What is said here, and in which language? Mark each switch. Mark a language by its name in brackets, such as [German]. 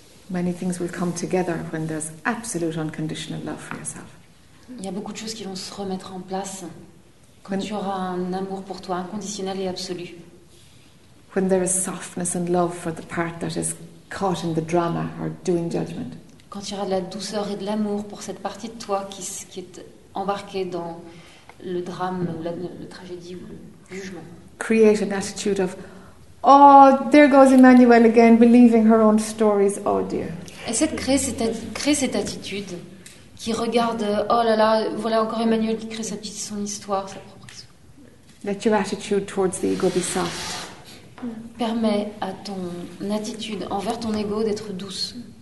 [English] Many things will come together when there's absolute unconditional love for yourself. [French] Il y a beaucoup de choses qui vont se remettre en place quand tu auras un amour pour toi inconditionnel et absolu. [English] When there is softness and love for the part that is caught in the drama or doing judgment. [French] Quand il y aura de la douceur et de l'amour pour cette partie de toi qui est embarquée dans le drame ou la tragédie ou le jugement. [English] Create an attitude of oh, there goes Emmanuel again, believing her own stories, oh dear. [French] Essaie de créer cette attitude qui regarde, oh là là, voilà encore Emmanuel qui crée son histoire, sa propre histoire. [English] Let your attitude towards the ego be soft. [French] Permet à ton attitude envers ton ego d'être douce.